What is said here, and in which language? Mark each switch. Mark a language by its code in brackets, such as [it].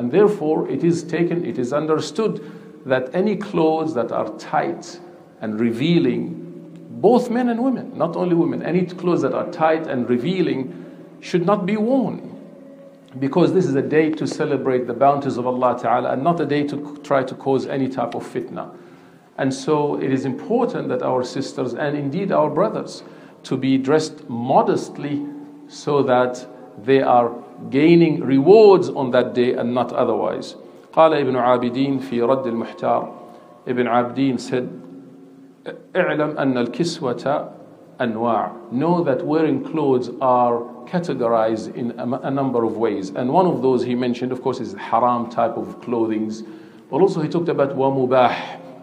[en] And therefore, it is understood that any clothes that are tight and revealing, both men and women, not only women, any clothes that are tight and revealing should not be worn, because this is a day to celebrate the bounties of Allah Ta'ala and not a day to try to cause any type of fitna. And so it is important that our sisters, and indeed our brothers, to be dressed modestly so that they are gaining rewards on that day and not otherwise. [ar] قال ابن عابدين في رد المحتار. [en] Ibn Abidin said, [ar] اعلم أن الكسوة أنواع. [en] Know that wearing clothes are categorized in a number of ways. And one of those he mentioned, of course, is haram type of clothing. But also he talked about ومباح.